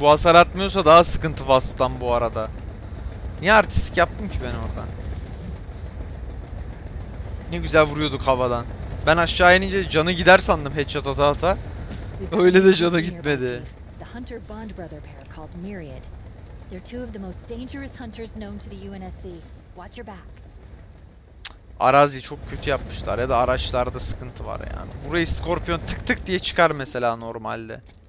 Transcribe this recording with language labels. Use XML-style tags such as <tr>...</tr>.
<tr>Bu hasar atmıyorsa daha sıkıntı vasıftan bu arada. Niye artistik yaptım ki ben orada? Ne güzel vuruyorduk havadan. Ben aşağı inince canı gider sandım headshot ata. Öyle de canı gitmedi.</tr> <en>Hunter Bond brother pair called Myriad. They're two of the most dangerous hunters known to the UNSC. Watch your back.</en> <tr>Arazi çok kötü yapmışlar ya da araçlarda sıkıntı var yani. Burayı Scorpion tık tık diye çıkar mesela normalde.</tr>